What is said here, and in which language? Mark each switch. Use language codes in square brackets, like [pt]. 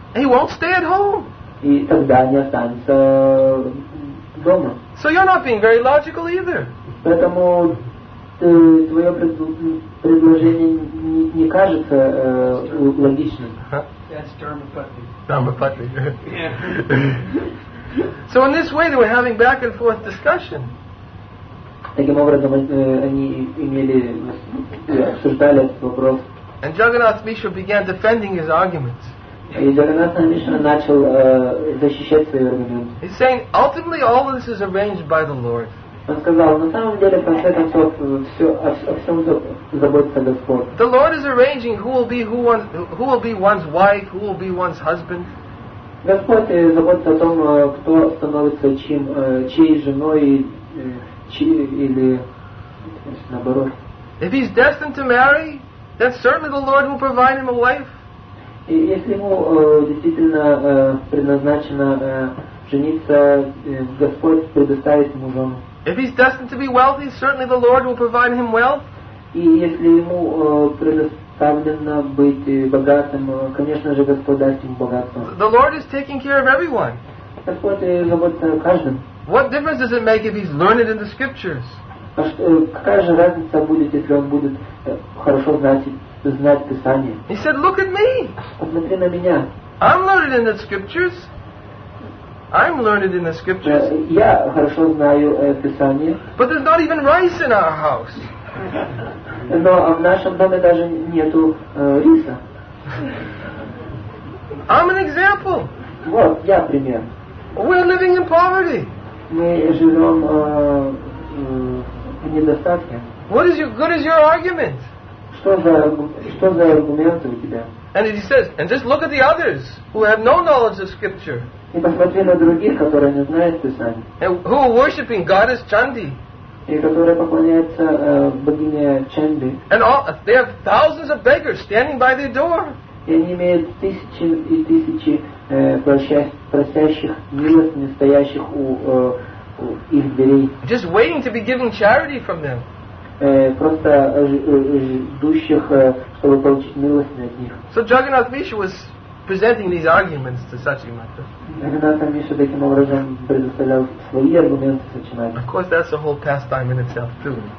[en] He won't stay at home. [ru] И тогда не останется дома. [en] So you're not being very logical either. [ru] Поэтому твое предложение не кажется логичным. [en] That's Dharmapatti. Dharmapatti. Yeah. So in this way they were having back and forth discussion. [ru] Таким образом они имели обсуждали этот вопрос. [en] And Jagannath Mishra began defending his arguments. [ru] И Джаганнат Мишра начал защищать свои аргументы. [en] He's saying, ultimately all of this is arranged by the Lord. [ru] Он сказал, на самом деле, в конце концов, все о всем заботится Господь. [en] The Lord is arranging who will be one's wife, who will be one's husband. [ru] Господь заботится о том, кто становится чьей женой или наоборот. [en] If he's destined to marry, then certainly the Lord will provide him a wife. [ru] И если ему действительно предназначено жениться, Господь предоставит ему жену. [en] If he's destined to be wealthy, certainly the Lord will provide him wealth. [ru] И если ему предоставлено быть богатым, конечно же Господь даст ему богатство. [en] The Lord is taking care of everyone. [ru] Господь заботится о каждом. [en] What difference does it make if he's learned in the scriptures? [ru] Какая же разница будет, если он будет хорошо знать Писание? [en] He said, look at me. [ru] Посмотри на меня. [en] I'm learned in the scriptures. I'm learned in the scriptures. [ru] Я хорошо знаю Писание. [en] But there's not even rice in our house. [ru] Но в нашем доме даже нету риса. [en] I'm an example. [ru] Вот, я пример. [en] We're living in poverty. [ru] Мы живем в недостатке. [en] What is your good is your argument? [ru] Что за аргументы у тебя? [en] And he says, and just look at the others who have no knowledge of scripture. [ru] И посмотри на других, которые не знают Писания. [en] Who are worshiping goddess Chandi? [ru] И которые поклоняются богине Чанди. [en] And all, they have thousands of beggars standing by their door. [ru] И они имеют тысячи и тысячи просящих милостыни стоящих у их дверей. [en] Just waiting to be given charity from them. [ru] Просто ждущих, чтобы получить милостыни от них. [en] So Jagannath Mishra was presenting these arguments to Sachimata. Of course, that's a whole pastime in itself, too.